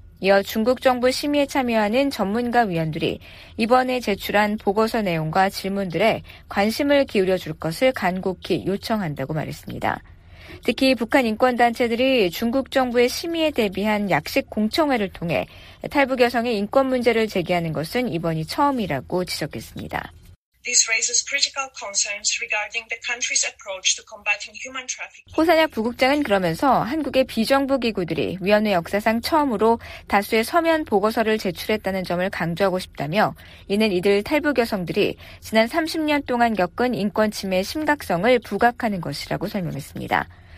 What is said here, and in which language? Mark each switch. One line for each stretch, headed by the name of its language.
Korean: 이어 중국 정부 심의에 참여하는 전문가 위원들이 이번에 제출한 보고서 내용과 질문들에 관심을 기울여줄 것을 간곡히 요청한다고 말했습니다. 특히 북한 인권단체들이 중국 정부의 심의에 대비한 약식 공청회를 통해 탈북 여성의 인권 문제를 제기하는 것은 이번이 처음이라고 지적했습니다.
English: This raises critical concerns regarding the country's approach to combating human trafficking.
Korean: 호사냑 부국장은 그러면서 한국의 비정부기구들이 위원회 역사상 처음으로 다수의 서면 보고서를 제출했다는 점을 강조하고 싶다며 이는 이들 탈북 여성들이 지난 30년 동안 겪은 인권침해의 심각성을 부각하는 것이라고 설명했습니다.